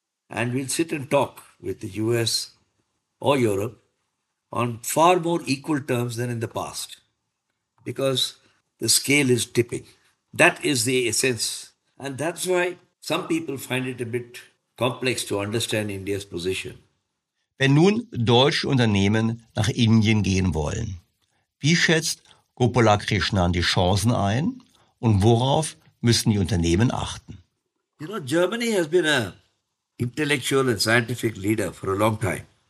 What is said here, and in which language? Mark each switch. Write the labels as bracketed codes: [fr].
[en] And we'll sit and talk with the US or Europe on far more equal terms than in the past, because the scale is tipping. That is the essence. And that's why some people find it a bit complex to understand India's position. [de] Wenn nun deutsche Unternehmen nach Indien gehen wollen, wie schätzt Gopalak Krishnan die Chancen ein und worauf müssen die Unternehmen achten? [en] You know, Germany has been an intellectual and scientific leader for a long time.